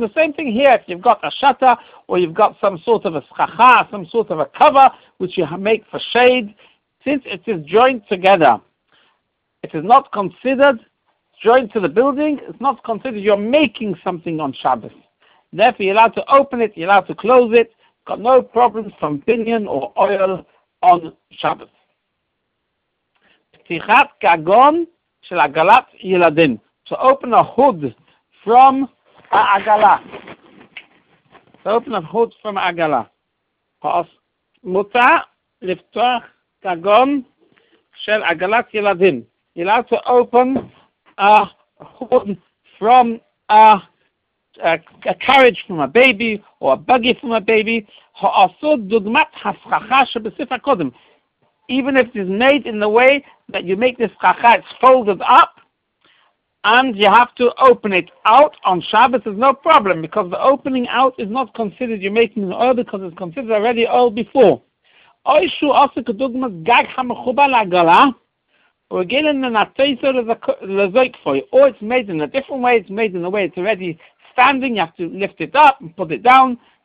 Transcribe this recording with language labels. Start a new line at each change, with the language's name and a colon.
English: The same thing here, if you've got a shutter, or you've got some sort of a schacha, some sort of a cover, which you make for shade, since it is joined together, it is not considered joined to the building, it's not considered you're making something on Shabbos. Therefore, you're allowed to open it, you're allowed to close it, got no problems from binyan or oil on Shabbos.
Hebrew: פתיחת גגון של עגלת ילדים.
English: To open a hood from העגלה. To open a hood from העגלה.
Hebrew: מותר לפתוח גגון של עגלת ילדים.
English: You're allowed to open a hood from a carriage from a baby or a buggy from a baby.
Hebrew: העשו דוגמת הפרחה שבסיף הקודם.
English: Even if it is made in the way that you make this chacha, it's folded up, and you have to open it out on Shabbos, there's no problem, because the opening out is not considered you're making an oil, because it's considered already oil before.
Hebrew: Oishu
English: also
Hebrew: kedugmas gag hamechuba la'agala,
English: or again in the
Hebrew: nateiso lezoik foy,
English: or it's made in a different way, it's made in a way it's already standing, you have to lift it up and put it down.